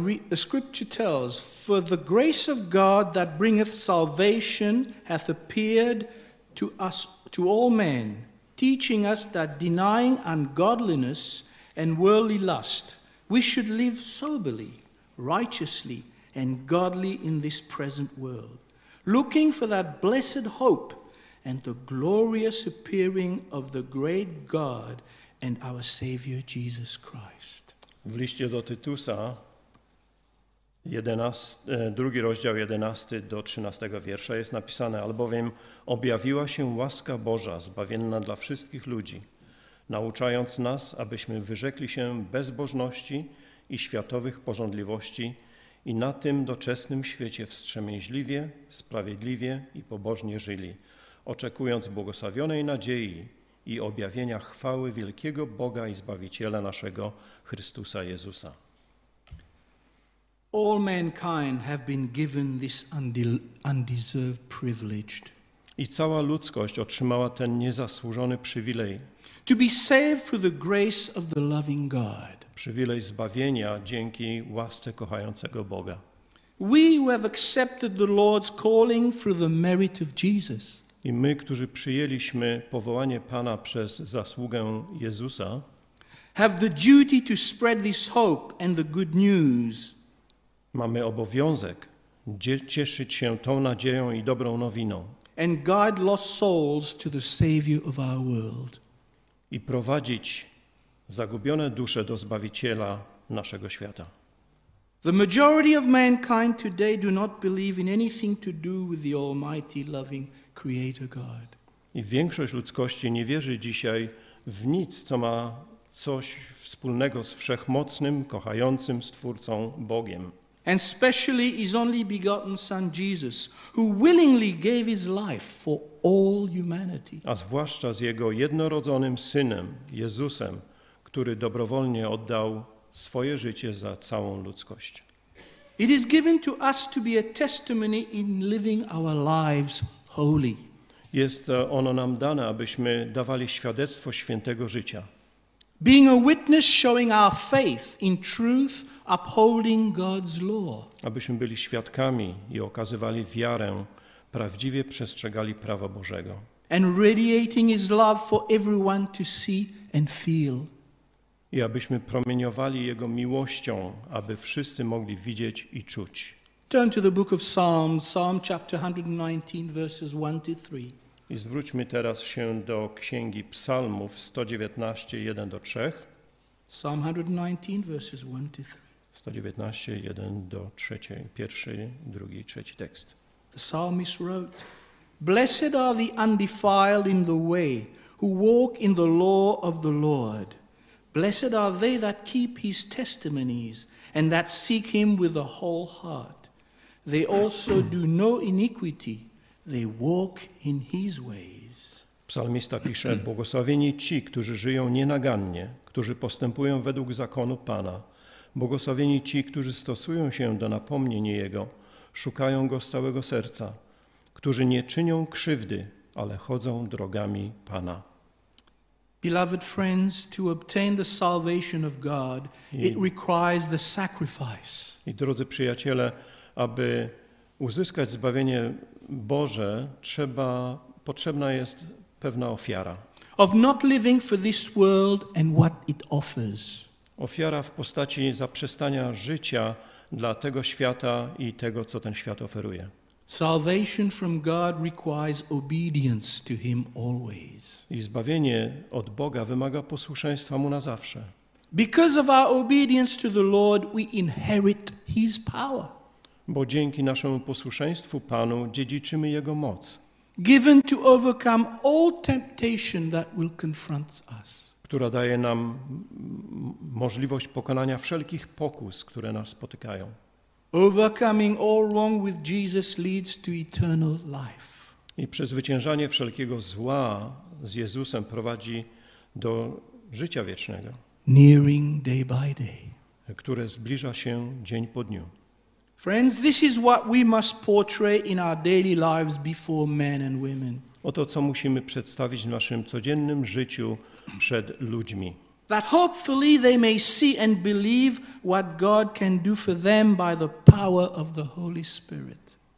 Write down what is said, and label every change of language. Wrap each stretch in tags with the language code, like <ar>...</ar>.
<en>The scripture tells, for the grace of God that bringeth salvation hath appeared to us, to all men, teaching us that denying ungodliness and worldly lust, we should live soberly, righteously, and godly in this present world, looking for that blessed hope and the glorious appearing of the great God and our Savior Jesus Christ.</en> <pl>W liście do Tytusa, 2 rozdział 11-13 wiersza jest napisane, albowiem objawiła się łaska Boża zbawienna dla wszystkich ludzi, nauczając nas, abyśmy wyrzekli się bezbożności i światowych pożądliwości i na tym doczesnym świecie wstrzemięźliwie, sprawiedliwie i pobożnie żyli, oczekując błogosławionej nadziei i objawienia chwały wielkiego Boga i Zbawiciela naszego, Chrystusa Jezusa.</pl> <en>All mankind have been given this undeserved privilege.</en> <pl>I cała ludzkość otrzymała ten niezasłużony przywilej.</pl> <en>To be saved through the grace of the loving God.</en> <pl>Przywilej zbawienia dzięki łasce kochającego Boga.</pl> <en>We who have accepted the Lord's calling through the merit of Jesus.</en> <pl>I my, którzy przyjęliśmy powołanie Pana przez zasługę Jezusa,</pl> <en>have the duty to spread this hope and the good news.</en> <pl>Mamy obowiązek cieszyć się tą nadzieją i dobrą nowiną.</pl> <en>And guide lost souls to the Savior of our world.</en> <pl>I prowadzić zagubione dusze do Zbawiciela naszego świata.</pl> <en>The majority of mankind today do not believe in anything to do with the Almighty, loving Creator God.</en> <pl>I większość ludzkości nie wierzy dzisiaj w nic, co ma coś wspólnego z wszechmocnym, kochającym Stwórcą Bogiem.</pl> <en>And specially His only begotten Son Jesus, who willingly gave His life for all humanity.</en> <pl>A zwłaszcza z Jego jednorodzonym Synem, Jezusem, który dobrowolnie oddał swoje życie za całą ludzkość.</pl> <en>It is given to us to be a testimony in living our lives holy.</en> <pl>Jest ono nam dane, abyśmy dawali świadectwo świętego życia.</pl> <en>Being a witness showing our faith in truth, upholding God's law.</en> <pl>Abyśmy byli świadkami i okazywali wiarę, prawdziwie przestrzegali prawa Bożego.</pl> <en>And radiating His love for everyone to see and feel.</en> <pl>I abyśmy promieniowali Jego miłością, aby wszyscy mogli widzieć i czuć.</pl> <en>Turn to the book of Psalms, Psalm chapter 119, verses 1-3.</en> <pl>I zwróćmy teraz się do Księgi Psalmów 119, 1-3.</pl> <en>Psalm 119, verses 1-3.</en> <pl>119, 1-3, pierwszy, drugi, trzeci tekst.</pl> <en>The psalmist wrote, Blessed are the undefiled in the way, who walk in the law of the Lord. Blessed are they that keep His testimonies, and that seek Him with the whole heart. They also do no iniquity, they walk in His ways.</en> <pl>Psalmista pisze, błogosławieni ci, którzy żyją nienagannie, którzy postępują według zakonu Pana. Błogosławieni ci, którzy stosują się do napomnień Jego, szukają Go z całego serca, którzy nie czynią krzywdy, ale chodzą drogami Pana.</pl> <en>Beloved friends, to obtain the salvation of God, it requires the sacrifice.</en> <pl>I drodzy przyjaciele, aby uzyskać zbawienie Boże, potrzebna jest pewna ofiara.</pl> <en>Of not living for this world and what it offers.</en> <pl>Ofiara w postaci zaprzestania życia dla tego świata i tego, co ten świat oferuje.</pl> <en>Salvation from God requires obedience to Him always.</en> <pl>I zbawienie od Boga wymaga posłuszeństwa Mu na zawsze.</pl> <en>Because of our obedience to the Lord, we inherit His power.</en> <pl>Bo dzięki naszemu posłuszeństwu Panu dziedziczymy Jego moc.</pl> <en>Given to overcome all temptation that will confront us.</en> <pl>Która daje nam możliwość pokonania wszelkich pokus, które nas spotykają.</pl> <en>Overcoming all wrong with Jesus leads to eternal life.</en> <pl>I przezwyciężanie wszelkiego zła z Jezusem prowadzi do życia wiecznego.</pl> <en>Nearing day by day.</en> <pl>Które zbliża się dzień po dniu.</pl> <en>Friends, this is what we must portray in our daily lives before men and women.</en> <pl>Oto co musimy przedstawić w naszym codziennym życiu przed ludźmi.</pl> <en>That hopefully they may see and believe what God can do for them by the power of the Holy Spirit.</en>